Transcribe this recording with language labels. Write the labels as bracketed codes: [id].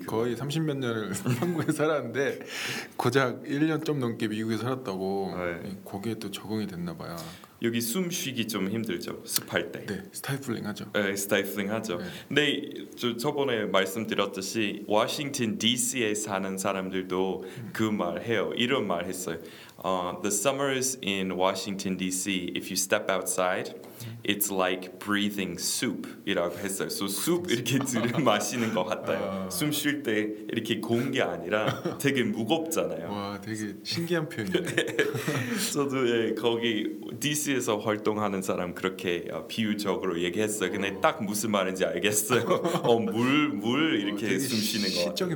[ko] 거의 30몇 년을 한국에 살았는데 고작 1년 좀 넘게 미국에 살았다고 네. 거기에 또 적응이 됐나 봐요. 여기 숨 쉬기 좀 힘들죠. 습할 때. 네. 스타이플링 하죠. 네. 스타이플링 하죠. 네. 근데 저번에 말씀드렸듯이 워싱턴 DC에 사는 사람들도 그 말 해요. 이런 말 했어요. [en] The summers in Washington DC, if you step outside, it's like breathing soup. [ko] 이라고 했어요. [en] So soup [ko] 이렇게 들 마시는 것 같아요. 숨 쉴 때 이렇게 공기 아니라 되게 무겁잖아요. 와, 되게 신기한 표현이네. 저도 예, 거기 DC에서 활동하는 사람 그렇게 비유적으로 얘기했어요. 근데 딱 무슨 말인지 알겠어요. 물 이렇게 와, 숨 쉬는 것 같아요.